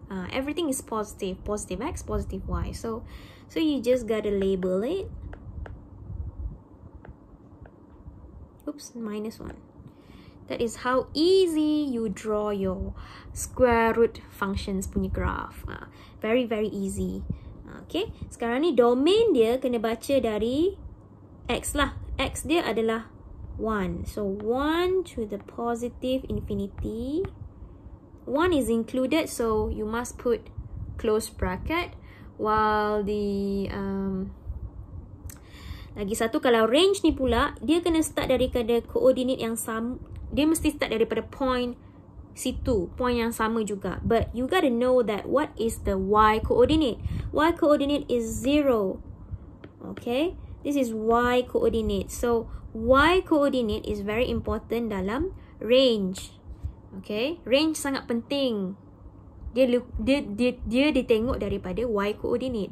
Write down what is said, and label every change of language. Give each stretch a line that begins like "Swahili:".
English: Everything is positive. Positive x, positive y. So you just gotta label it. Oops, minus 1. That is how easy you draw your square root functions punya graph. Very, very easy.
Malay: Okay, sekarang ni domain dia kena baca dari x lah.
English: X
Malay: dia adalah
English: 1. So, 1 to the positive infinity. 1 is included, so you must put close bracket. While the...
Malay: lagi satu, kalau range ni pula, dia kena start daripada koordinat yang sama. Dia mesti start daripada point situ. Point yang sama juga.
English: But you gotta know that what is the y coordinate. Y coordinate is 0. Okay? This is y coordinate. So, y coordinate is very important dalam range. Okay?
Malay: Range sangat penting. Dia ditengok daripada y coordinate.